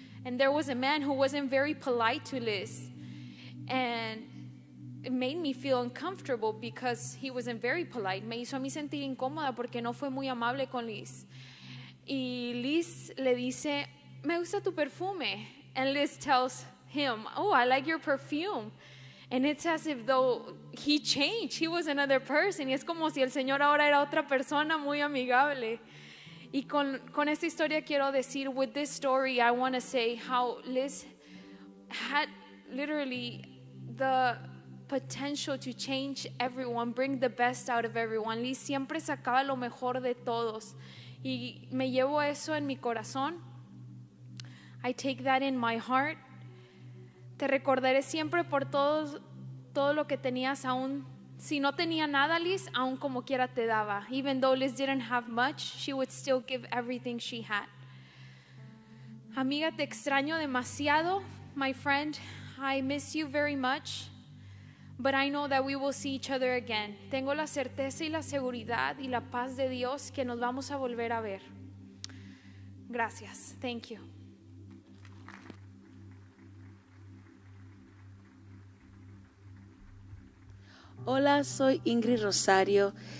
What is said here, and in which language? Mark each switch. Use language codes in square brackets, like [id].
[en] And there was a man who wasn't very polite to Liz. And it made me feel uncomfortable because he wasn't very polite. [es] Me hizo a mí sentir incómoda porque no fue muy amable con Liz. Y Liz le dice, me gusta tu perfume. [en] And Liz tells him, oh, I like your perfume. And it's as if though he changed, he was another person. [es] Y es como si el señor ahora era otra persona muy amigable. Y con esta historia quiero decir, [en] with this story, I want to say how Liz had literally the potential to change everyone, bring the best out of everyone. [es] Liz siempre sacaba lo mejor de todos. Y me llevo eso en mi corazón. [en] I take that in my heart. [es] Te recordaré siempre por todo lo que tenías, aún si no tenía nada, Liz, aún como quiera te daba. [en] Even though Liz didn't have much, she would still give everything she had. [es] Amiga, te extraño demasiado. [en] My friend, I miss you very much. But I know that we will see each other again. [es] Tengo la certeza y la seguridad y la paz de Dios que nos vamos a volver a ver. Gracias. [en] Thank you. [es] Hola, soy Ingrid Rosario.